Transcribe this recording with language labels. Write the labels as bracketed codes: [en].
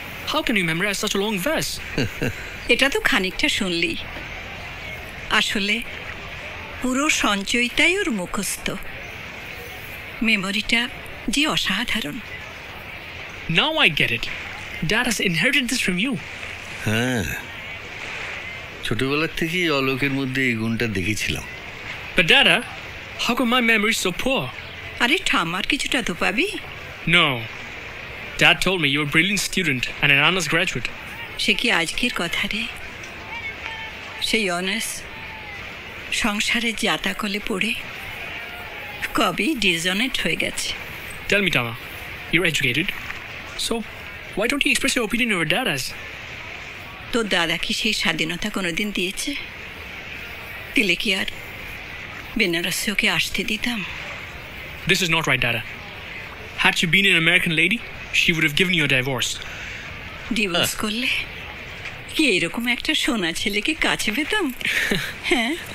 [en] How can you memorize such a long verse? [bn] এটা তো খানিকটা শুনলি, আসলে পুরো সঞ্চয়টাই ওর মুখস্থ। মেমোরিটা যে অসাধারণ। [en] Now I get it. Dad has inherited this from you. [bn] হ্যাঁ, ছোটবেলা থেকেই অলোকের মধ্যে এই গুণটা দেখেছিলাম। [en] But Dada, how come my memory is so poor? [bn] আরে ঠাম্মার কিছুটা তো পাবি। [en] No. Dad told me you're a brilliant student and an honors graduate. [bn] সে কি আজকের কথা রে? সেই অনার্স সংসারে জাতাকলে পড়ে কবি ডিজনেট হয়ে গেছে। [en] Tell me, Tama, you're educated. So, why don't you express your opinion over Dada's? [bn] তোর দাদা কি সেই স্বাধীনতা কোনোদিন দিয়েছে? দিলে কি আর বেনারসেও কি আসতে দিতাম? [en] This is not right, Dada. Had she been an American lady, she would have given you a divorce. [bn] Divorce করলে কি এরকম একটা সোনা ছেলেকে কাছে পেতাম? হ্যাঁ,